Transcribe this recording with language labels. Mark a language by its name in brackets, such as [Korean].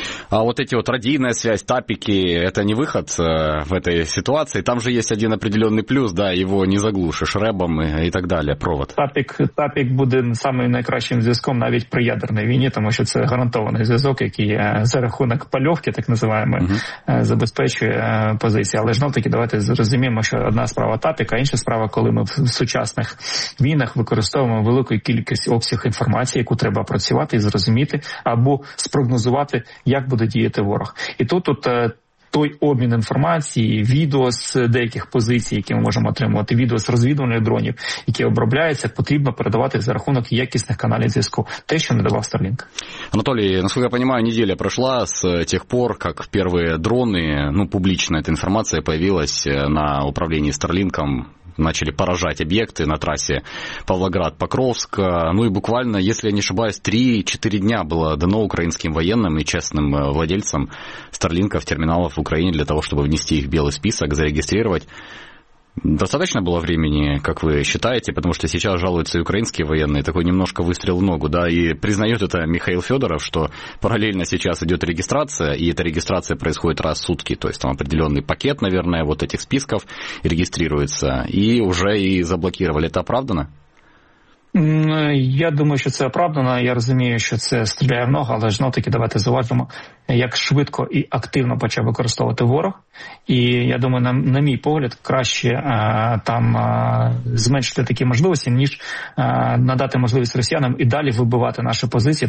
[Russian] А вот эти вот радийная связь, тапики, это не выход в этой ситуации? Там же есть один определенный плюс, да, его не заглушишь рэбом и так далее, провод. Тапик будет самым наикращим звязком, навіть при ядерной войне, потому что это гарантованный звязок, который [Ukrainian] за рахунок польовки, [Russian] так называемой, забезпечивает позиции. [Ukrainian] Але знов-таки давайте зрозуміємо, что одна справа тапик, а інша справа, коли ми в сучасних війнах використовуємо велику кількість обсяг інформації, яку треба працювати і зрозуміти, або спрогнозувати, як буде діяти ворог. І тут той обмін інформації, відео з деяких позицій, які ми можемо отримувати, відео з розвідувальних дронів, які обробляються, потрібно передавати за рахунок якісних каналів зв'язку. Те, що не давав Starlink. Анатолій, наскільки я розумію, неділя пройшла з тих пор, як перші дрони, ну, публічна ця інформація з'явилася на управлінні Starlink. [Russian] начали поражать объекты на трассе Павлоград-Покровск. Ну и буквально, если я не ошибаюсь, 3-4 дня было дано украинским военным и честным владельцам Starlink терминалов в Украине для того, чтобы внести их в белый список, зарегистрировать. Достаточно было времени, как вы считаете, потому что сейчас жалуются и украинские военные, такой немножко выстрел в ногу, да, и признает это Михаил Федоров, что параллельно сейчас идет регистрация, и эта регистрация происходит раз в сутки, то есть там определенный пакет, наверное, вот этих списков регистрируется, и уже и заблокировали. Это оправдано? [Ukrainian] Я думаю, що це оправдано. Я розумію, що це стріляє в ногу, але ж знов-таки давайте зауважимо, як швидко і активно почав використовувати ворог. І я думаю, на мій погляд, краще там зменшити такі можливості, ніж надати можливість росіянам і далі вибивати наші позиції.